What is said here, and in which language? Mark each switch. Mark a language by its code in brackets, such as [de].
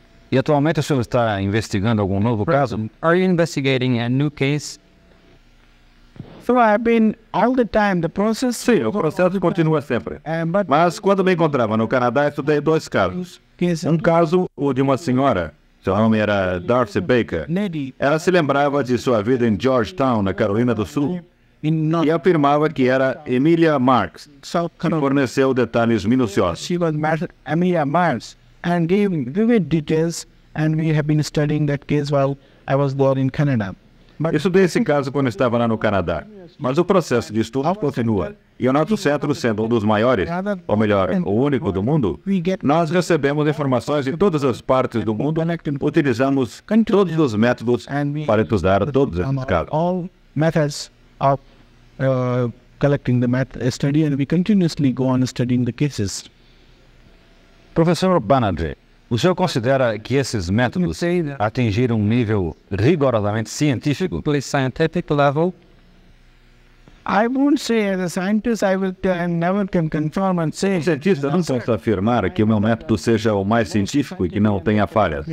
[pt] E atualmente o senhor está investigando algum novo caso? [en] Are you investigating a new case? So I've been all the time, the process... [pt] Sim, o processo continua sempre. Mas quando me encontrava no Canadá, estudei dois casos. Um caso, o de uma senhora. Seu nome era Darcy Baker. Ela se lembrava de sua vida em Georgetown, na Carolina do Sul, e afirmava que era Emilia Marx, que forneceu detalhes minuciosos. [en] She was Emilia Marx, and gave vivid details, and we have been studying that case while I was born in Canada. [pt] Eu estudei esse caso quando estava lá no Canadá, mas o processo de estudo continua. E o nosso centro, sendo um dos maiores, ou melhor, o único do mundo, nós recebemos informações de todas as partes do mundo, utilizamos todos os métodos para estudar todos esses casos. [en] All methods of collecting the study, and we continuously go on studying the cases. [pt] Professor Banerjee, o senhor considera que esses métodos atingiram um nível rigorosamente científico? [en] Scientific level? I won't say as a scientist, I will never can confirm and say. [pt] Um cientista não posso afirmar que o meu método seja o mais científico e que não tenha falhas.